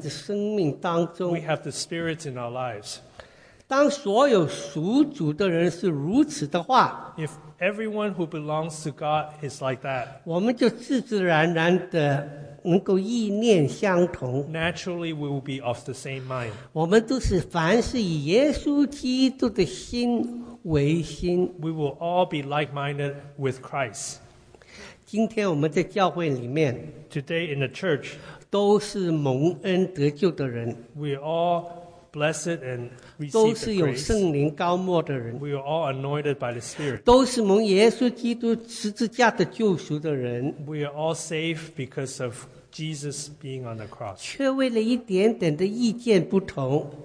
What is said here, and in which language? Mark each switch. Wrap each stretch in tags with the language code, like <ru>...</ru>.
<zh>都有圣灵居住在我们的生命当中。</zh> <en>We have the Spirit in our lives.</en> <zh>当所有属主的人是如此的话,</zh> <en>if everyone who belongs to God is like that,</en> <zh>我们就自然然的 能够意念相同,</zh> <en>naturally, we will be of the same mind.</en> <zh>我们都是凡是以耶稣基督的心为心。</zh> <en>We will all be like-minded with Christ.</en> <zh>今天我们在教会里面,</zh> <en>today in the church,</en> <zh>都是蒙恩得救的人。</zh> <en>We are all blessed and receive the grace. We are all anointed by the Spirit. We are all saved because of Jesus being on the cross.</en> <zh>却为了一点点的意见不同,</zh>